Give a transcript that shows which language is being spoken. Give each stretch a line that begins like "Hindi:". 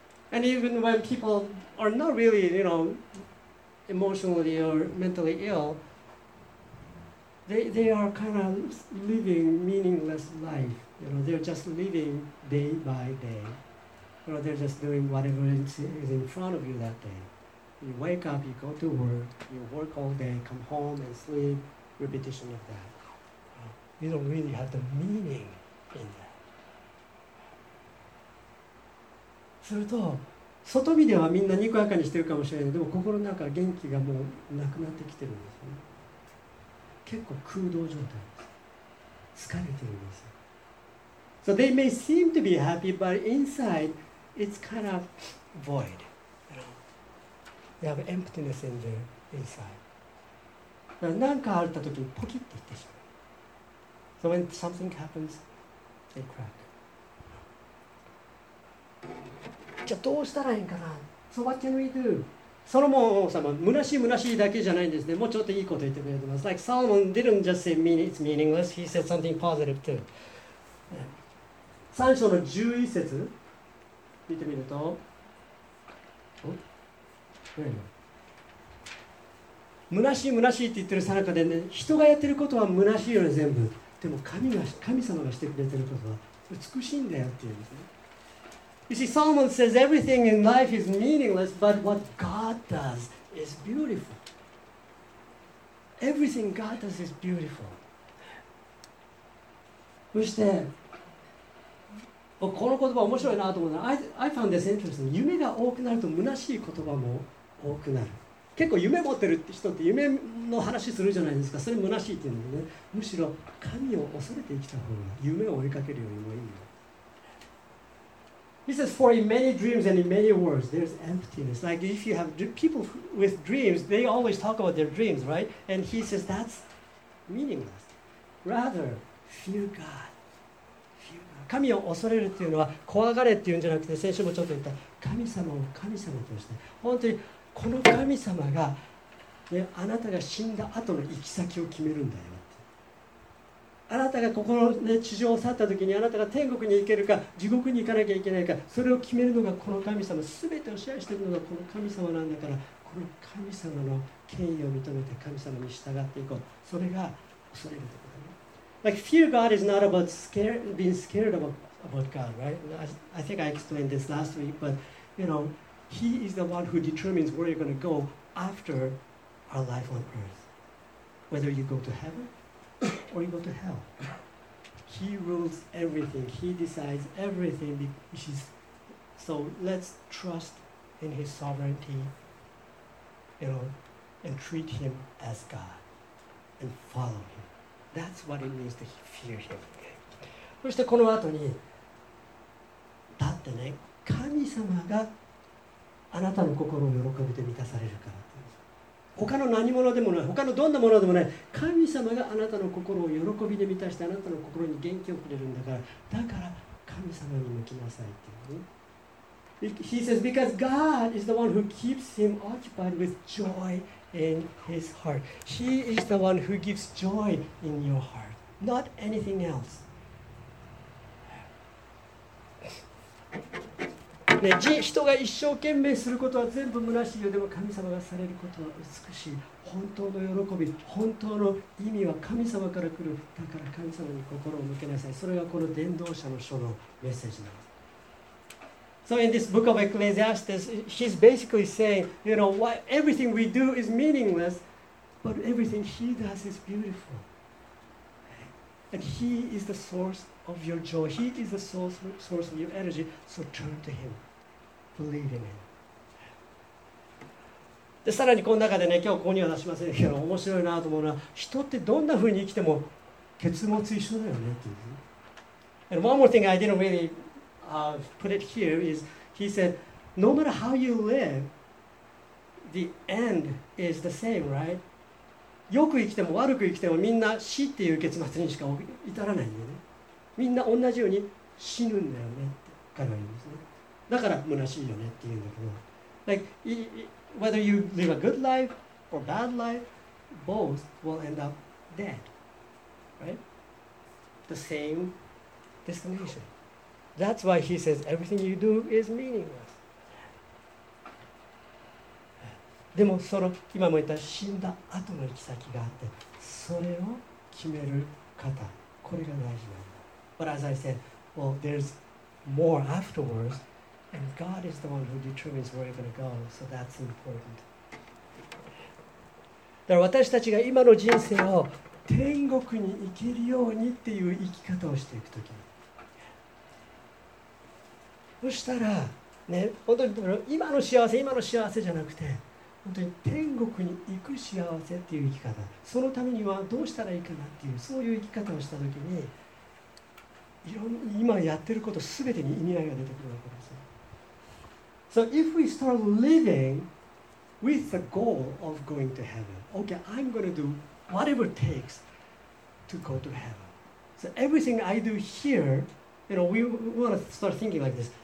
English: And even when people are not really, you know, emotionally or mentally ill, they are kind of living meaningless life. You know, they're just living day by day. You know, they're just doing whatever is in front of you that day. You wake up, you go to work, you work all day, come home and sleep, repetition of that. You don't really have the meaning in that.
Japanese: すると外見ではみんなにこやかにしてるかもしれない、でも心の中は元気がもうなくなってきてるんですよね。結構空洞状態です。疲れてるんですよ。
English: So they may seem to be happy, but inside it's kind of void. They have emptiness in their inside.
Japanese: だから何かあった時にポキッといってしまう。
English: So when something happens, they crack.
Japanese: じゃあどうしたらいいんかな。
English: So what can we do?
Japanese: ソロモン王様、虚しい虚しいだけじゃないんですね。もうちょっといいこと言ってくれてます。
English: Like Solomon didn't just say it's meaningless, he said something positive too.
Japanese: 3章の11節見てみると、虚しい虚しいって言ってるさなかでね、人がやってることは虚しいよね全部、でも神様がしてくれてることは美しいんだよっていうんですね。
English: You see, Solomon says everything in life is meaningless, but what God does is beautiful. Everything God does is beautiful.
Japanese: そして、この言葉面白いなと思うな。
English: I found this interesting.
Japanese: 夢が多くなると虚しい言葉も多くなる。結構夢持ってる人って夢の話するじゃないですか。それ虚しいっていうのね。むしろ神を恐れて生きた方が夢を追いかけるよりもいいよ。
English: He says, for in many dreams and in many words, there's emptiness. Like if you have people with dreams, they always talk about their dreams, right? And he says, that's meaningless. Rather, fear God. Fear God.
Japanese: 神を恐れるっていうのは、怖がれっていうんじゃなくて、先週もちょっと言った、神様を神様として、本当にこの神様が、ね、あなたが死んだ後の行き先を決めるんだよ。あなたがここの、ね、地上を去った時にあなたが天国に行けるか地獄に行かなきゃいけないか、それを決めるのがこの神様、全てを支配しているのがこの神様なんだから、この神様の権威を認めて神様に従っていこう、それが恐れるところだね。
English: Like fear God is not about being scared about God, right? I think I explained this last week, but you know, He is the one who determines where you're going to go after our life on earth. Whether you go to heavenor you go to hell. He rules everything. He decides everything. So let's trust in his sovereignty, you know, and treat him as God and follow him. That's what it means to fear him.
Japanese: そしてこの後に、だってね、神様があなたの心を喜びで満たされるから。他の何者でもない、他のどんなものでもない、神様があなたの心を喜びで満たして、あなたの心に元気をくれるんだから、だから神様に向きなさいっていうね。
English: He says, because God is the one who keeps him occupied with joy in his heart. He is the one who gives joy in your heart, not anything else.
Japanese: ね、人が一生懸命することは全部虚しいよ、でも神様がされることは美しい。本当の喜び、本当の意味は神様から来る。だから神様に心を向けなさい。それがこの伝道者の書のメッセージなんです。
English: So in this book of Ecclesiastes, he's basically saying, you know, why everything we do is meaningless, but everything he does is beautiful. And he is the source. Of your joy. He is the source of your energy. So turn to him. Believe in him.
Japanese: で、さらにこの中でね、今日ここには出しませんけど、面白いなと思うのは、人ってどんな風に生きても結末一緒だよねっていう。
English: And one more thing I didn't really put it here is, he said, no matter how you live, the end is the same, right?
Japanese: よく生きても悪く生きてもみんな死っていう結末にしか至らないんだよね。みんな同じように死ぬんだよねって彼は言うんですね。だから虚しいよねって言うんだけど、
English: like whether you live a good life or bad life, both will end up dead, right? The same destination. That's why he says everything you do is meaningless.
Japanese: でもその今も言った死んだ後の行き先があって、それを決める方、これが大事なんだ。
English: But as I said, well, there's more afterwards, and God is the one who determines where you're going to go, so that's important.
Japanese: だから私たちが今の人生を天国に行けるようにっていう生き方をしていくとき、そしたらね、本当に今の幸せ、今の幸せじゃなくて。本当に天国に行く幸せっていう生き方、そのためにはどうしたらいいかなっていう、そういう生き方をしたときに、いろんな今やってることすべてに意味合いが出てくるわけですよ。
English: So if we start living with the goal of going to heaven, okay, I'm going to do whatever it takes to go to heaven. So everything I do here, you know, we want to start thinking like this.